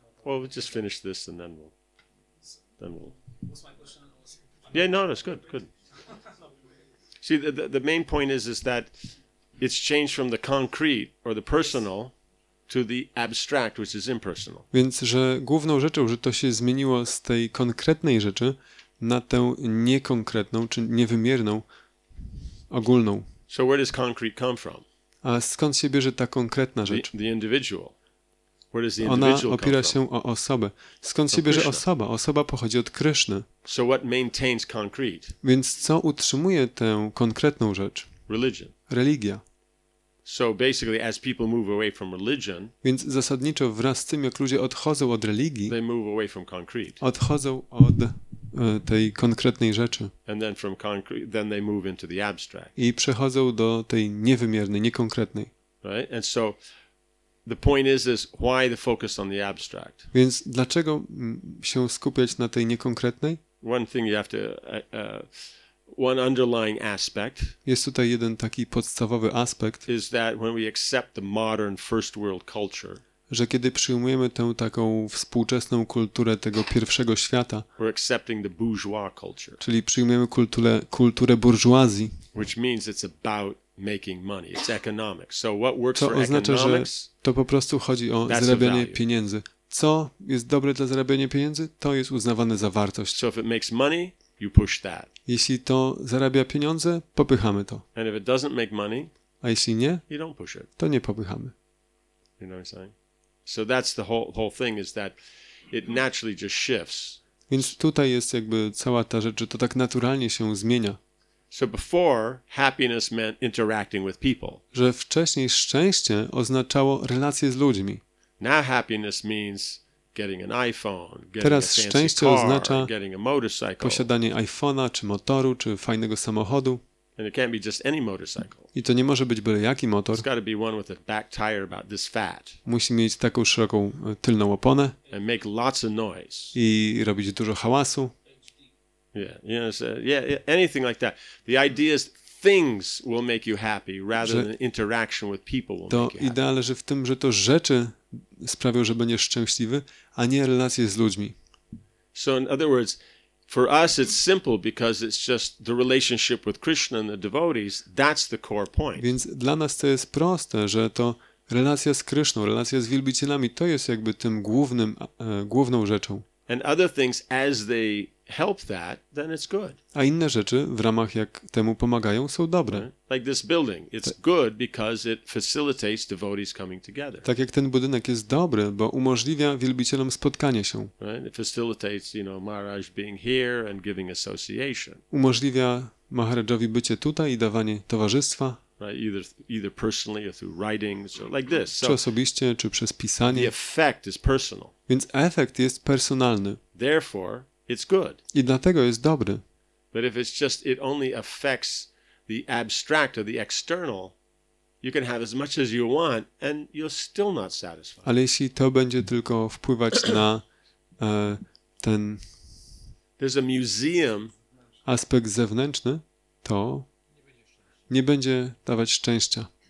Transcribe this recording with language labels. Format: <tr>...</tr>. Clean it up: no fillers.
<en>Well, we'll just finish this and then we'll. Then we'll. What's my question? Yeah, no, that's good, good. See, the main point is that it's changed from the concrete or the personal. Yes. To the abstract, which is impersonal.</en> <pl>Więc, że główną rzeczą, że to się zmieniło z tej konkretnej rzeczy na tę niekonkretną, czy niewymierną, ogólną.</pl> <en>So where does concrete come from?</en> <pl>A skąd się bierze ta konkretna rzecz?</pl> <en>The individual. Where does the individual come from?</en> <pl>Ona opiera się o osobę. Skąd się bierze osoba? Osoba pochodzi od Kryszny.</pl> <en>So what maintains concrete?</en> <pl>Więc co utrzymuje tę konkretną rzecz?</pl> <en>Religion.</en> <pl>Religia.</pl> <en>So basically, as people move away from religion,</en> <pl>więc zasadniczo wraz z tym, jak ludzie odchodzą od religii,</pl> <en>they move away from concrete.</en> <pl>Odchodzą od tej konkretnej rzeczy.</pl> <en>And then from concrete, then they move into the abstract.</en> <pl>I przechodzą do tej niewymiernej, niekonkretnej.</pl> <en>Right? And so the point is why the focus on the abstract?</en> <pl>Więc dlaczego się skupiać na tej niekonkretnej?</pl> <en>One thing you have to one underlying aspect.</en> <pl>Jest tutaj jeden taki podstawowy aspekt.</pl> <en>Is that when we accept the modern first world culture?</en> <pl>Że kiedy przyjmujemy tę taką współczesną kulturę tego pierwszego świata.</pl> <en>We're accepting the bourgeois culture.</en> <pl>Czyli przyjmujemy kulturę burżuazji.</pl> <en>Which means it's about making money. It's economics. So what works for</en> <pl>oznacza,</pl> <en>economics?</en> <pl>To oznacza, że to po prostu chodzi o zarabianie pieniędzy. Co jest dobre dla zarabiania pieniędzy? To jest uznawane za wartość.</pl> <en>So if it makes money, you push that.</en> <pl>Jeśli to zarabia pieniądze, popychamy to.</pl> <en>And if it doesn't make money,</en> <pl>a jeśli nie,</pl> <en>you don't push it.</en> <pl>To nie popychamy.</pl> <en>You know what I'm saying? So that's the whole thing is that it naturally just shifts.</en> <pl>Więc tutaj jest jakby cała ta rzecz, że to tak naturalnie się zmienia.</pl> <en>So before, happiness meant interacting with people.</en> <pl>Że wcześniej szczęście oznaczało relacje z ludźmi.</pl> <en>Now happiness means getting an iPhone, getting a fancy car, getting a motorcycle.</en> <pl>Posiadanie iPhone'a, czy motoru, czy fajnego samochodu.</pl> <en>And it can't be just any motorcycle.</en> <pl>I to nie może być byle jaki motor.</pl> <en>It's got to be one with a back tire about this fat.</en> <pl>Musi mieć taką szeroką tylną oponę.</pl> <en>And make lots of noise.</en> <pl>I robić dużo hałasu.</pl> <en>Yeah, you know, so, yeah, anything like that. The idea is things will make you happy rather than interaction with people will make you happy.</en> <pl>To idea leży w tym, że to rzeczy sprawią, że będziesz szczęśliwy, a nie relacje z ludźmi.</pl> <en>So in other words, for us it's simple because it's just the relationship with Krishna and the devotees, that's the core point.</en> <pl>Więc dla nas to jest proste, że to relacja z Krishną, relacja z wielbicielami, to jest jakby tym głównym główną rzeczą.</pl> <en>And other things as they help that, then it's good.</en> <pl>A inne rzeczy w ramach jak temu pomagają są dobre.</pl> <en>Like this building, it's good because it facilitates devotees coming together.</en> <pl>Tak jak ten budynek jest dobry, bo umożliwia wielbicielom spotkanie się.</pl> <en>Right? It facilitates, you know, Maharaj being here and giving association.</en> <pl>Umożliwia Maharajowi bycie tutaj i dawanie towarzystwa.</pl> <en>Right? Either personally or through writings or like this.</en> <pl>Czy osobiście, czy przez pisanie.</pl> <en>The effect is personal.</en> <pl>Więc efekt jest personalny.</pl> <en>Therefore, it's good.</en> <pl>I dlatego jest dobry.</pl> <en>But if it's just it only affects the abstract or the external, you can have as much as you want and you're still not satisfied.</en> <pl>Ale jeśli to będzie tylko wpływać na ten</pl> <en>there's a museum</en> <pl>aspekt zewnętrzny, to nie będzie dawać szczęścia.</pl>